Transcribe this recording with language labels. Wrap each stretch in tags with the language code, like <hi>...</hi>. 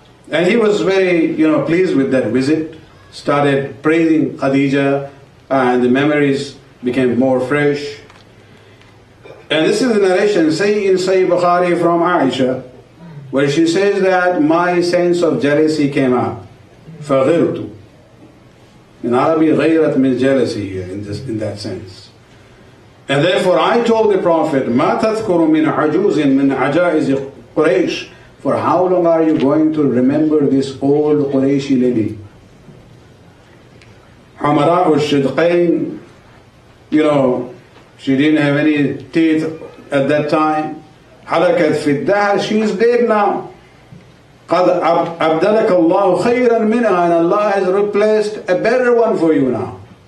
<en>And he was very, you know, pleased with that visit, started praising Khadija, and the memories became more fresh. And this is the narration in Sahih Bukhari from Aisha, where she says that my sense of jealousy came up.</en> <ar>فَغِرْتُ.</ar> <en>In Arabic, غَيْرَت means jealousy here in that sense. And therefore I told the Prophet,</en> <ar>مَا تَذْكُرُ مِنْ عَجُوزٍ مِنْ عَجَائِزِ قُرَيْشٍ</ar> <en>For how long are you going to remember this old Qurayshi lady?</en> <ar>Humara al-Shidqain,</ar> <en>you know, she didn't have any teeth at that time.</en> <ar>Halakat fi al-dahr,</ar> <en>she is dead now.</en> <ar>قَدْ أَبْدَلَكَ اللَّهُ خَيْرًا مِنْهَا,</ar> <en>and Allah has replaced a better one for you now.</en>